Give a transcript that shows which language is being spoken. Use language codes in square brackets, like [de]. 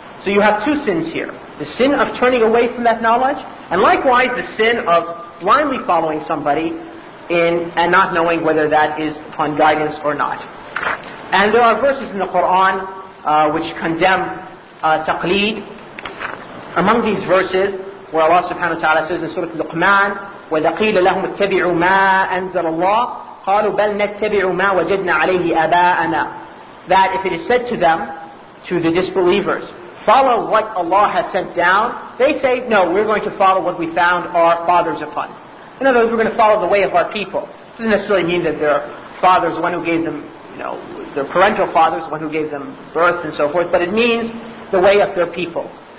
[en] So you have two sins here. The sin of turning away from that knowledge, and likewise the sin of blindly following somebody in and not knowing whether that is upon guidance or not. And there are verses in the Quran which condemn taqleed. Among these verses, where Allah subhanahu wa ta'ala says in Surah Luqman, [ar] وَإِذَا قِيلَ لَهُمْ اتَّبِعُوا مَا أَنزَلَ اللَّهُ قَالُوا بَلْ نَتَّبِعُوا مَا وَجَدْنَا عَلَيْهِ آبَاءَنَا. [en] That if it is said to them, to the disbelievers, follow what Allah has sent down, they say, no, we're going to follow what we found our fathers upon. In other words, we're going to follow the way of our people. It doesn't necessarily mean that their fathers, the one who gave them, you know, was their parental fathers, the one who gave them birth and so forth, but it means the way of their people.